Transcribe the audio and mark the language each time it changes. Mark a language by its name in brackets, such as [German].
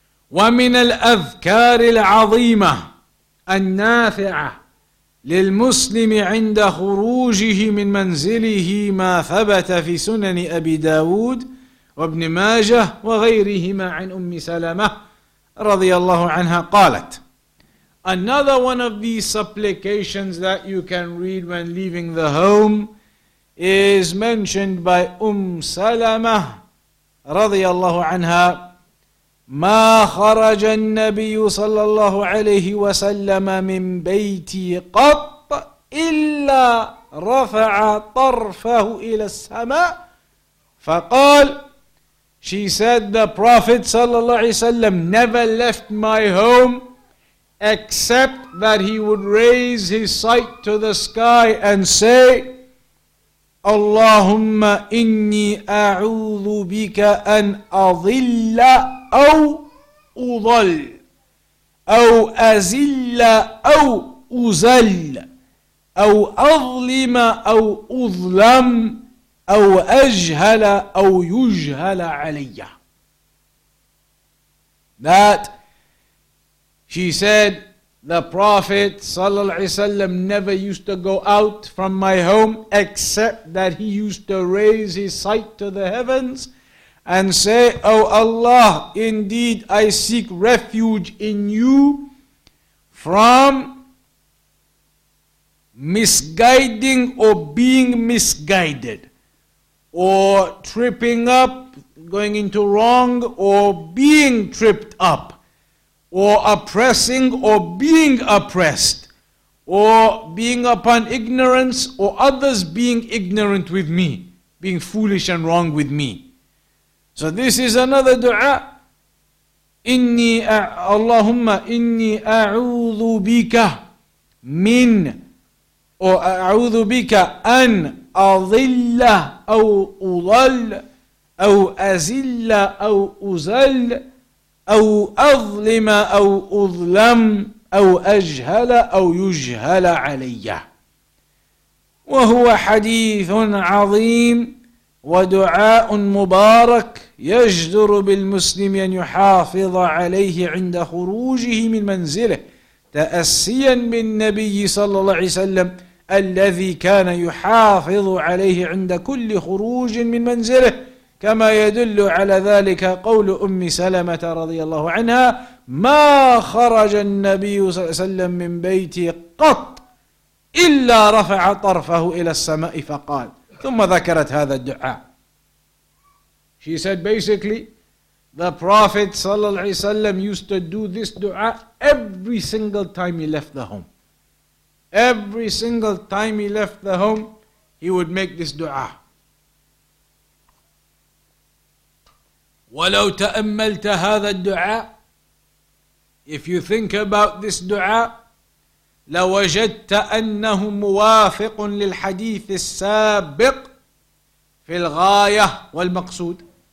[Arabic] وَمِنَ الْأَذْكَارِ الْعَظِيمَةِ النَّافِعَةِ لِلْمُسْلِمِ عِنْدَ خُرُوجِهِ مِنْ مَنْزِلِهِ مَا ثَبَتَ فِي سُنَنِ أَبِي دَاوُودَ وَابْنِ مَاجَهِ وَغَيْرِهِمَا عِنْ أُمِّ سَلَمَةِ رَضِيَ اللَّهُ عَنْهَا قَالَتْ. [English] Another one of these supplications that you can read when leaving the home is mentioned by Salama رضي الله عنها. [Arabic] ما خرج النبي صلى الله عليه وسلم من بيتي قط إلا رفع طرفه إلى السماء فقال. [English] She said the Prophet sallallahu alaihi wasallam never left my home except that he would raise his sight to the sky and say, [Arabic] اللهم إني أعوذ بك أن أضل أو أضل أو أزل أو أزل أو أظلم أو أظلم أو أجهل أو يجهل علي. [English] That she said, the Prophet sallallahu alaihi wasallam never used to go out from my home except that he used to raise his sight to the heavens and say, oh Allah, indeed I seek refuge in you from misguiding or being misguided or tripping up, going into wrong or being tripped up, or oppressing or being oppressed, or being upon ignorance, or others being ignorant with me, being foolish and wrong with me. So this is another dua. [Arabic] Inni Allahumma inni a'udhu bika min, or a'udhu bika an adilla aw udall aw azilla aw uzal أو أظلم أو أظلم أو أجهل أو يجهل علي. وهو حديث عظيم ودعاء مبارك يجدر بالمسلم أن يحافظ عليه عند خروجه من منزله تأسيا بالنبي صلى الله عليه وسلم الذي كان يحافظ عليه عند كل خروج من منزله كما يدل على ذلك قول أم سلمة رضي الله عنها ما خرج النبي صلى الله عليه وسلم من بيتي قط إلا رفع طرفه إلى السماء فقال. ثم ذكرت هذا الدعاء. [English] She said basically the Prophet صلى الله عليه وسلم used to do this dua every single time he left the home. Every single time he left the home he would make this dua. [Arabic] ولو تأملت هذا الدعاء, [English] if you think about this [Arabic] دعاء, لوجدت أنه موافق للحديث السابق في الغاية والمقصود.